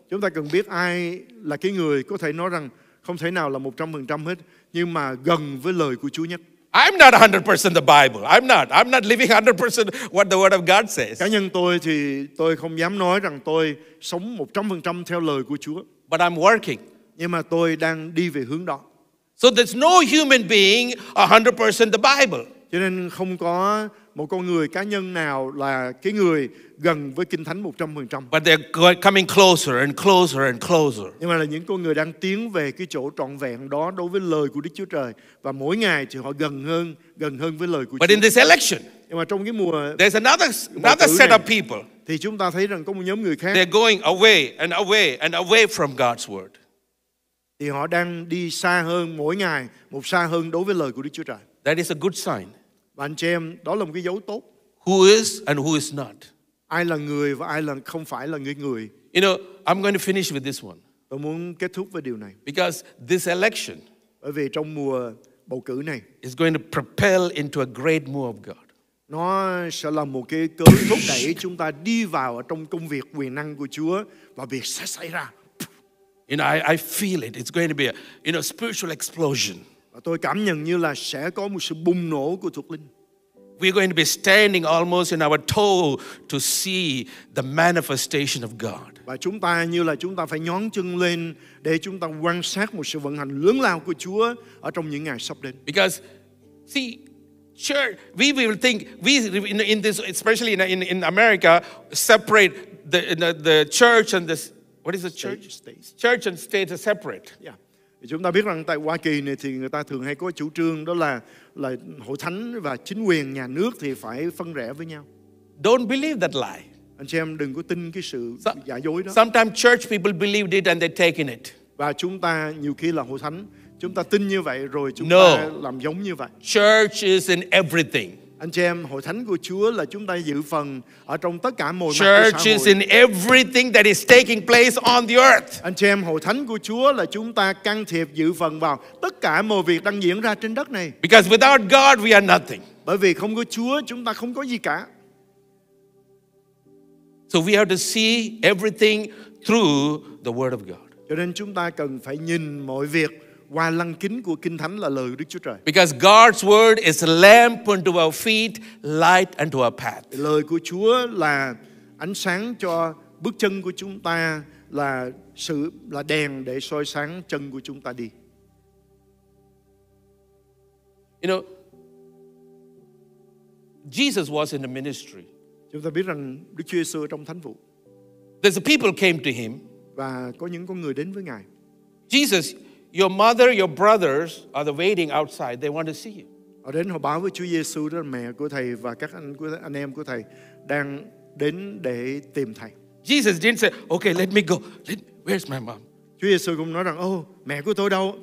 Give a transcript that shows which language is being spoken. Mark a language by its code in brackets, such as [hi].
[vi] Chúng ta cần biết ai là cái người có thể nói rằng không thể nào là 100% hết, nhưng mà gần với lời của Chúa nhất. [en] I'm not 100% the Bible. I'm not living 100% what the word of God says. [vi] Cá nhân tôi thì tôi không dám nói rằng tôi sống 100% theo lời của Chúa. [en] But I'm working. [vi] Nhưng mà tôi đang đi về hướng đó. [en] So there's no human being 100% the Bible. [vi] Cho nên không có một con người cá nhân nào là cái người gần với Kinh Thánh 100%. [en] But they're coming closer and closer and closer. [vi] Nhưng mà là những con người đang tiến về cái chỗ trọn vẹn đó đối với lời của Đức Chúa Trời. Và mỗi ngày thì họ gần hơn với lời của Chúa. [en] But in this election, [vi] nhưng mà trong cái mùa, [en] there's another set of people. [vi] Thì chúng ta thấy rằng có một nhóm người khác. [en] They're going away and away and away from God's word. [vi] Thì họ đang đi xa hơn mỗi ngày, một xa hơn đối với lời của Đức Chúa Trời. [en] That is a good sign. [vi] Anh chị em, đó là một cái dấu tốt. [en] Who is and who is not? [vi] Ai là người và ai là không phải là người. [en] You know, I'm going to finish with this one. [vi] Tôi muốn kết thúc với điều này. [en] Because this election, [vi] bởi vì trong mùa bầu cử này, [en] is going to propel into a great move of God. [vi] Nó sẽ là một cái cơ thúc đẩy chúng ta đi vào trong công việc quyền năng của Chúa và việc sẽ xảy ra. [en] You know, I feel it. It's going to be a, you know, spiritual explosion. [vi] Tôi cảm nhận như là sẽ có một sự bùng nổ của thuộc linh. [en] We're going to be standing almost in our toe to see the manifestation of God. [vi] Và chúng ta như là chúng ta phải nhón chân lên để chúng ta quan sát một sự vận hành lớn lao của Chúa ở trong những ngày sắp đến. [en] Because, see, sure, we will think we in this, especially in America, separate the church and this, what is the church? States. Church and state are separate. Yeah. [vi] Chúng ta biết rằng tại Hoa Kỳ này thì người ta thường hay có chủ trương đó là hội thánh và chính quyền nhà nước thì phải phân rẽ với nhau. [en] Don't believe that lie. [vi] Anh chị em đừng có tin cái sự giả dối đó. [en] Sometimes church people believe it and they're taking it. [vi] Và chúng ta nhiều khi là hội thánh, chúng ta tin như vậy rồi chúng [en] no. [vi] ta làm giống như vậy. [en] Church is in everything. [vi] Anh chị em, hội thánh của Chúa là chúng ta giữ phần ở trong tất cả mọi mặt của xã hội. [en] Church is in everything that is taking place on the earth. [vi] Anh chị em, hội thánh của Chúa là chúng ta can thiệp giữ phần vào tất cả mọi việc đang diễn ra trên đất này. [en] Because without God we are nothing. [vi] Bởi vì không có Chúa chúng ta không có gì cả. [en] So we have to see everything through the word of God. [vi] Cho nên chúng ta cần phải nhìn mọi việc qua lăng kính của Kinh Thánh là lời của Đức Chúa Trời. [en] Because God's word is a lamp unto our feet, light unto our path. [vi] Lời của Chúa là ánh sáng cho bước chân của chúng ta, là sự là đèn để soi sáng chân của chúng ta đi. [en] You know, Jesus was in the ministry. [vi] Chúng ta biết rằng Đức Chúa Jesus trong thánh vụ. [en] There's a people came to him. [vi] Và có những con người đến với Ngài. [en] Jesus, your mother, your brothers are the waiting outside. They want to see you. [vi] Họ đến họ báo với Chúa Giêsu đó, mẹ của thầy và các anh em của thầy đang đến để tìm thầy. [en] Jesus didn't say, "Okay, let me go. Where's my mom?" [vi] Chúa Giêsu cũng nói rằng, mẹ của tôi đâu?